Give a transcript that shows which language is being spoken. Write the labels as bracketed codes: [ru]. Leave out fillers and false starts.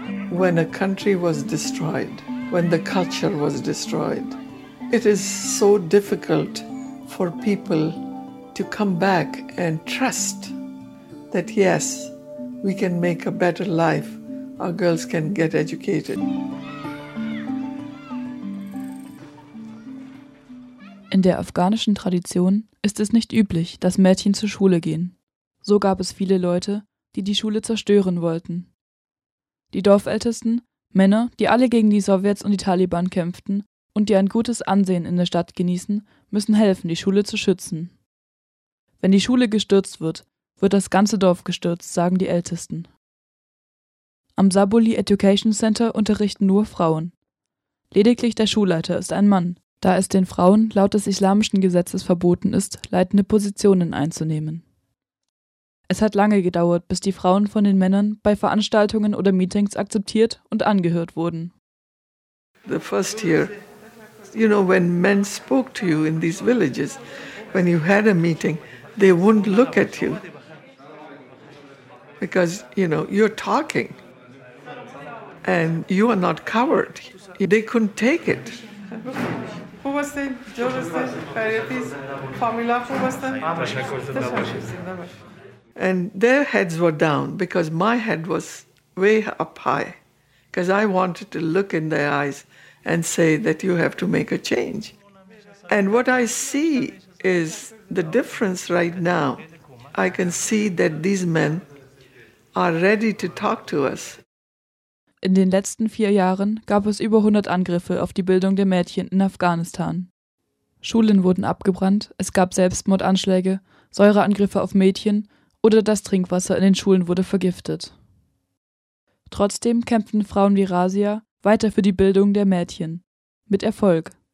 [en] When a country was destroyed, when the culture was destroyed, it is so difficult for people to come back and trust that yes, we can make a better life, our girls can get educated. [de] In der afghanischen Tradition ist es nicht üblich, dass Mädchen zur Schule gehen. So gab es viele Leute, die die Schule zerstören wollten. Die Dorfältesten, Männer, die alle gegen die Sowjets und die Taliban kämpften und die ein gutes Ansehen in der Stadt genießen, müssen helfen, die Schule zu schützen. Wenn die Schule gestürzt wird, wird das ganze Dorf gestürzt, sagen die Ältesten. Am Saboli Education Center unterrichten nur Frauen. Lediglich der Schulleiter ist ein Mann, da es den Frauen laut des islamischen Gesetzes verboten ist, leitende Positionen einzunehmen. Es hat lange gedauert, bis die Frauen von den Männern bei Veranstaltungen oder Meetings akzeptiert und angehört wurden. [en] The first year, you know, when men spoke to you in these villages, when you had a meeting, they wouldn't look at you because, you know, you're talking and you are not coward. They couldn't take it. Who was the formula? Who was the? And their heads were down because my head was way up high because I wanted to look in their eyes and say that you have to make a change. And what I see is the difference right now. I can see that these men are ready to talk to us. [de] In den letzten 4 Jahren gab es über 100 Angriffe auf die Bildung der Mädchen in Afghanistan. Schulen wurden abgebrannt, es gab Selbstmordanschläge, Säureangriffe auf Mädchen oder das Trinkwasser in den Schulen wurde vergiftet. Trotzdem kämpften Frauen wie Razia weiter für die Bildung der Mädchen. Mit Erfolg.